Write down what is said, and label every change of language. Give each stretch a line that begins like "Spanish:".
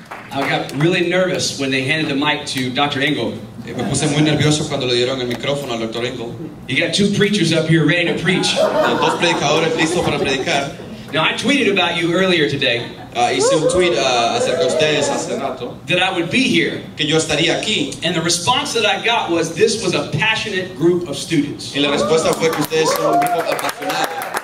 English: I got really nervous when they handed the mic to Dr. Engel.
Spanish: Me puse muy nervioso cuando le dieron el micrófono al Dr. Engel.
English: You got two preachers up here ready to preach.
Spanish: Dos predicadores listos para predicar.
English: Now, I tweeted about you earlier today.
Spanish: Hice un tweet acerca de ustedes hace rato.
English: That I would be here.
Spanish: Que yo estaría aquí.
English: And the response that I got was, this was a passionate group of students.
Spanish: Y la respuesta fue que ustedes son un grupo apasionado.